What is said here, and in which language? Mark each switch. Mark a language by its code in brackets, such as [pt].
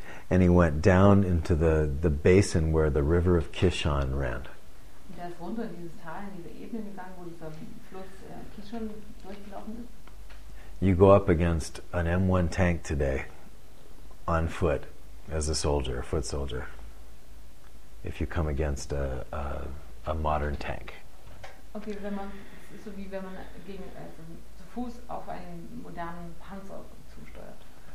[en] And he went down into the basin where the river of Kishon ran. [de] Er ist runter in dieses Tal, in diese Ebene gegangen, wo dieser Fluss Kishon durchgelaufen ist. [en] You go up against an M1 tank today on foot as a foot soldier, if you come against a modern tank. [de] Okay, wenn man, es ist so wie wenn man zu Fuß auf einen modernen Panzer zusteuert.